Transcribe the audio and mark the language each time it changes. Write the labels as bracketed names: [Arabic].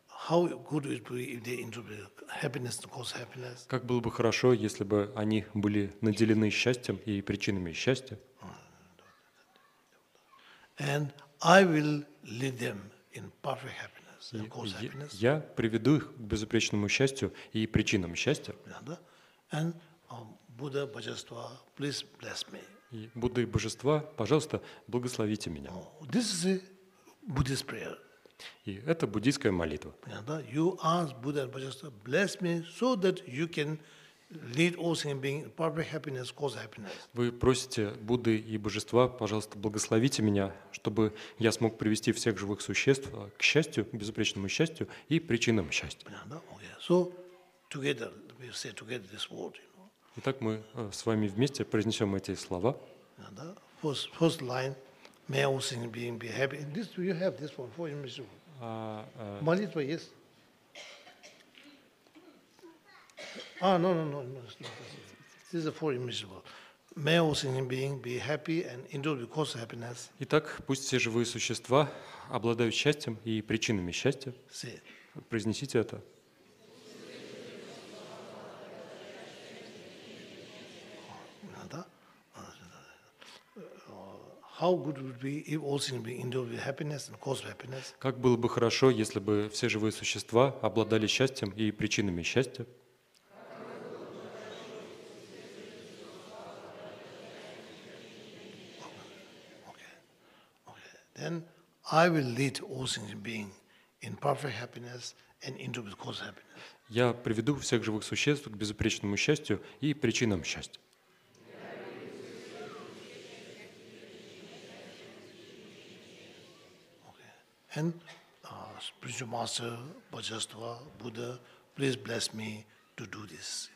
[English] How good would it be if they enjoyed happiness to cause happiness? [Russian] Как было бы хорошо, если бы они были наделены счастьем и причинами счастья. [English] And I will lead them in perfect happiness and cause happiness. [Russian] Я приведу их к безупречному счастью и причинам счастья. [English] And Buddha, Божество, please bless me. [Russian] И Будды, Божество, пожалуйста, благословите меня. [English] This is a Buddhist prayer. [Russian] И это буддийская молитва. [English] You ask Buddha and Bodhisattva, bless me so that you can lead all sentient beings in perfect happiness, cause happiness. [Russian] Вы просите Будды и Божества, пожалуйста, благословите меня, чтобы я смог привести всех живых существ к счастью, к безупречному счастью и причинам счастья. [English] So together we say together this word. [Russian] Итак, мы с вами вместе произнесем эти слова. [English] First line. May all sentient beings be happy. And this you have this one for you, Mr. [Russian] Молитва есть? [English] No. This is for you, Mr. May all sentient beings be happy and enjoy the cause of happiness. [Russian] Итак, пусть все живые существа обладают счастьем и причинами счастья. [English] Say it. [Russian] Произнесите это. [English] How good would be if all sentient beings enjoyed with happiness and cause happiness? [Russian] Как было бы хорошо, если бы все живые существа обладали счастьем и причинами счастья? [English] Okay. Then I will lead all sentient beings in perfect happiness and enjoy with cause happiness. [Russian] Я приведу всех живых существ к безупречному счастью и причинам счастья. [English] And spiritual master, Bodhisattva, Buddha, please bless me to do this.